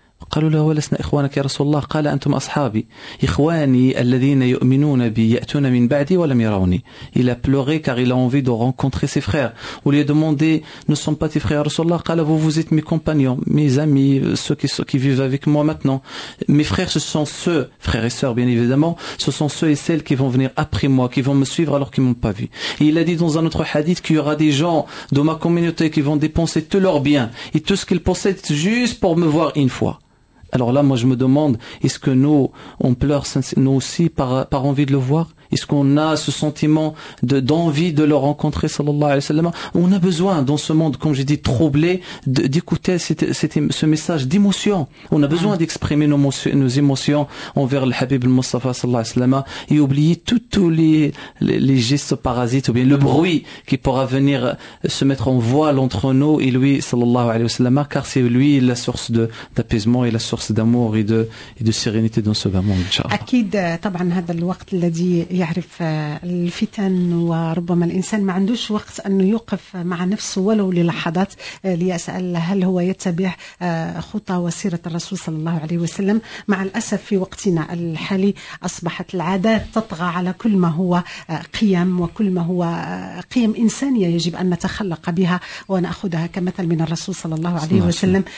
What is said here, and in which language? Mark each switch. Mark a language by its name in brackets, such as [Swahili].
[Arabic] قالوا له ولسنا إخوانك يا رسول الله قال أنتم أصحابي إخواني الذين يؤمنون بي يأتون من بعدي ولم يروني. [French] Il a pleuré car il a envie de rencontrer ses frères. On lui a demandé ne sont pas tes frères [Arabic] رسول الله قال [French] vous êtes mes compagnons, mes amis, ceux qui vivent avec moi maintenant. Mes frères, ce sont ceux, frères et sœurs bien évidemment, ce sont ceux et celles qui vont venir après moi, qui vont me suivre alors qu'ils m'ont pas vu. Et il a dit dans un autre hadith qu'il y aura des gens de ma communauté qui vont dépenser tous leurs biens et tout ce qu'ils possèdent juste pour me voir une fois. Alors là, moi, je me demande, est-ce que on pleure nous aussi par envie de le voir? Est-ce qu'on a ce sentiment d'envie de le rencontrer, sallallahu alayhi wa sallam? On a besoin, dans ce monde, comme j'ai dit, troublé, d'écouter ce message d'émotion. On a besoin d'exprimer nos émotions envers le Habib al-Mustafa, sallallahu alayhi wa sallam, et oublier tous les gestes parasites, ou bien le bruit qui pourra venir se mettre en voile entre nous et lui, sallallahu alayhi wa sallam, car c'est lui la source d'apaisement et la source d'amour et de sérénité dans ce monde, inshallah. [Arabic] Akid, taban, hada l'waqt ladi يعرف الفتن، وربما الإنسان ما عندوش وقت أنه يوقف مع نفسه ولو للحظات ليسأل هل هو يتبع خطى وسيرة الرسول صلى الله عليه وسلم. مع الأسف في وقتنا الحالي أصبحت العادات تطغى على كل ما هو قيم، وكل ما هو قيم إنسانية يجب أن نتخلق بها ونأخذها كمثل من الرسول صلى الله عليه وسلم.